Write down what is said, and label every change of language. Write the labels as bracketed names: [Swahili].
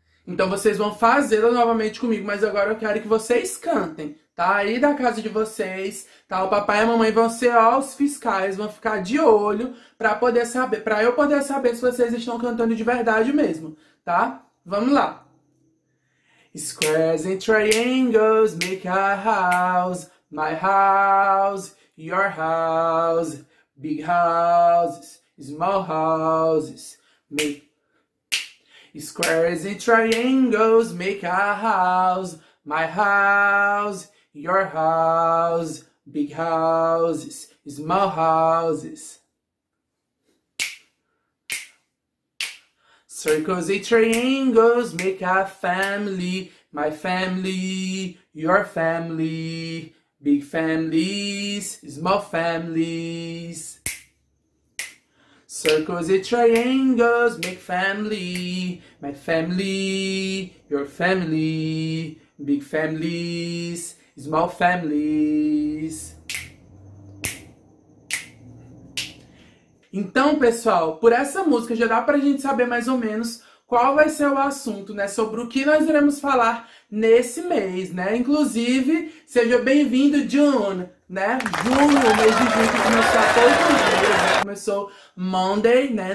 [Portuguese] Então vocês vão fazê-la novamente comigo, mas agora eu quero que vocês cantem, tá? Aí da casa de vocês, tá? O papai e a mamãe vão ser os fiscais, vão ficar de olho para poder saber, para eu poder saber se vocês estão cantando de verdade mesmo, tá? Vamos lá. [English] Squares and triangles make a house, my house, your house, big houses, small houses, make Squares and triangles make a house, my house, your house, big houses, small houses. Circles and triangles make a family, my family, your family, big families, small families. Circles and triangles make family, my family, your family, big families, small families. [Portuguese] Então, pessoal, por essa música já dá pra gente saber mais ou menos qual vai ser o assunto, né? Sobre o que nós iremos falar nesse mês, né? Inclusive, seja bem-vindo, June, né? Junho, o mês de junho que começou Monday, né?